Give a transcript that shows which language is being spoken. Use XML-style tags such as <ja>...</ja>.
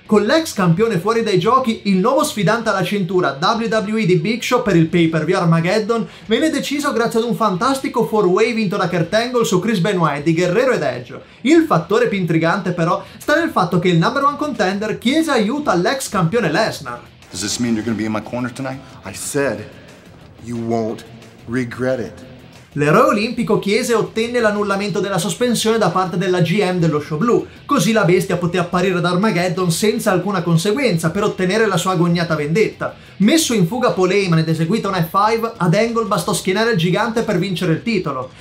<it>Con l'ex campione fuori dai giochi, il nuovo sfidante alla cintura WWE di Big Show per il pay-per-view Armageddon venne deciso grazie ad un fantastico 4-way vinto da Kurt Angle su Chris Benoit, di Guerrero ed Edge. Il fattore più intrigante però sta nel fatto che il number one contender chiese aiuto all'ex campione Lesnar.</it> <en>Does this mean you're gonna be in my corner tonight? I said you won't regret it.</en> <it>L'eroe olimpico chiese e ottenne l'annullamento della sospensione da parte della GM dello show blu, così la bestia poté apparire ad Armageddon senza alcuna conseguenza per ottenere la sua agognata vendetta. Messo in fuga Paul Heyman ed eseguito un F5, ad Angle bastò schienare il gigante per vincere il titolo.</it>